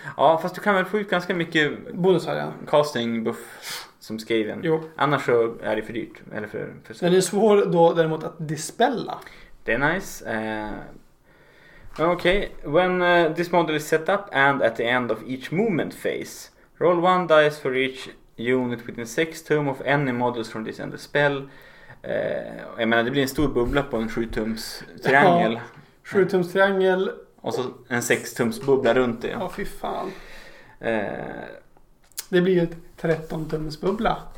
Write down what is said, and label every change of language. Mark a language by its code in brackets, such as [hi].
[sv] Ja, fast du kan väl få ut ganska mycket bonusar, ja. Casting buff som skaven. Jo. Annars så är det för dyrt. Eller för svårt. Den är svår då däremot att dispella. Det är nice. Okej. Okay. [en] When this model is set up and at the end of each movement phase, roll one dice for each unit within 6 [sv] tum [en] of any models from this end of spell. [sv] Jag menar, det blir en stor bubbla på en 7-tums triangel. Ja, 7-tums triangel. Och så en 6-tums bubbla runt det. Ja, fy fan. Det blir ett 13-tums bubbla.